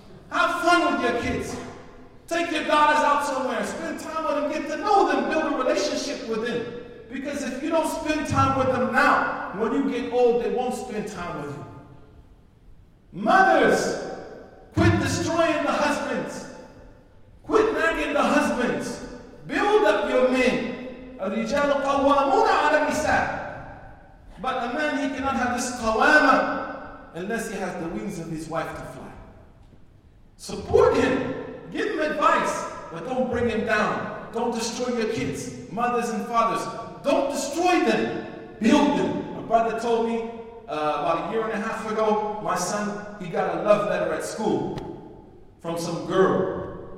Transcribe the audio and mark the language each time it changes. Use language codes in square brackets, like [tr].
[en] Have fun with your kids. Take your daughters out somewhere, spend time with them, get to know them, build a relationship with them. Because if you don't spend time with them now, when you get old, they won't spend time with you. Mothers, quit destroying the husbands. Quit nagging the husbands. Build up your men. [ar] الرجال قوامون على النساء. [en] But a man, he cannot have this qawama unless he has the wings of his wife to fly. Support him. Give him advice, but don't bring him down. Don't destroy your kids, mothers and fathers. Don't destroy them, build them. My brother told me about a year and a half ago, my son, he got a love letter at school from some girl.